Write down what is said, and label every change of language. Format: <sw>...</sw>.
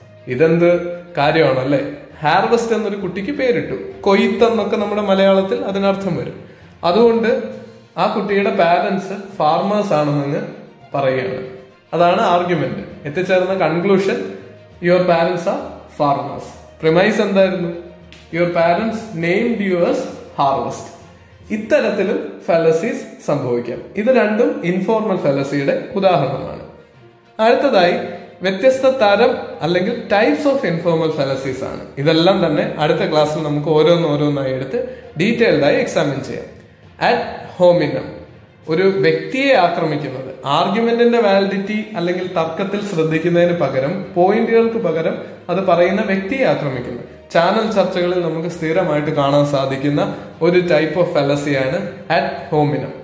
<ml>ഇതെന്ത് കാര്യമാണല്ലേ, ഹാർവെസ്റ്റ് എന്നൊരു കുട്ടിക്ക് പേരിട്ടു, കൊയ്ത്തെന്നൊക്കെ നമ്മുടെ മലയാളത്തിൽ അതിനർത്ഥം വരും. അതുകൊണ്ട് ആ കുട്ടിയുടെ പാരന്റ്സ് ഫാർമേഴ്സ് ആണെന്ന് പറയുകയാണ്. അതാണ് ആർഗ്യുമെന്റ്. എത്തിച്ചേർന്ന conclusion</ml> <en>Your parents are farmers.</en> <ml>Premise എന്തായിരുന്നു?</ml> <en>Your parents named you as harvest.</en> <ml>ഇത്തരത്തിലും fallacies സംഭവിക്കാം. ഇത് രണ്ടും ഇൻഫോർമൽ ഫാലസിയുടെ ഉദാഹരണമാണ്. അടുത്തതായി വ്യത്യസ്ത തരം അല്ലെങ്കിൽ</ml> <en>types of informal fallacies</en> <ml>ആണ്. ഇതെല്ലാം തന്നെ അടുത്ത ക്ലാസ്സിൽ നമുക്ക് ഓരോന്നോരോന്നായി എടുത്ത് ഡീറ്റെയിൽഡായി എക്സാമിൻ ചെയ്യാം. അറ്റ് ഹോമിനം, ഒരു വ്യക്തിയെ ആക്രമിക്കുന്നത്, ആർഗ്യുമെന്റിന്റെ വാലിഡിറ്റി അല്ലെങ്കിൽ തർക്കത്തിൽ ശ്രദ്ധിക്കുന്നതിന് പകരം, പോയിന്റുകൾക്ക് പകരം അത് പറയുന്ന വ്യക്തിയെ ആക്രമിക്കുന്നത്, ചാനൽ ചർച്ചകളിൽ നമുക്ക് സ്ഥിരമായിട്ട് കാണാൻ സാധിക്കുന്ന ഒരു ടൈപ്പ് ഓഫ് ഫാലസിയാണ് അറ്റ് ഹോമിനം.</ml>